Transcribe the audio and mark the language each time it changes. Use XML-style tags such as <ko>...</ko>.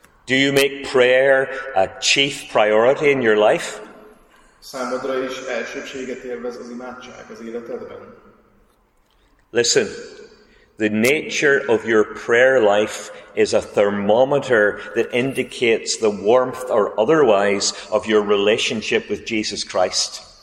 <en>Do you make prayer a chief priority in your life?</en> <hu>Számodra is elsőbséget élvez az imádság az életedben.</hu> <en>Listen. The nature of your prayer life is a thermometer that indicates the warmth or otherwise of your relationship with Jesus Christ.</en>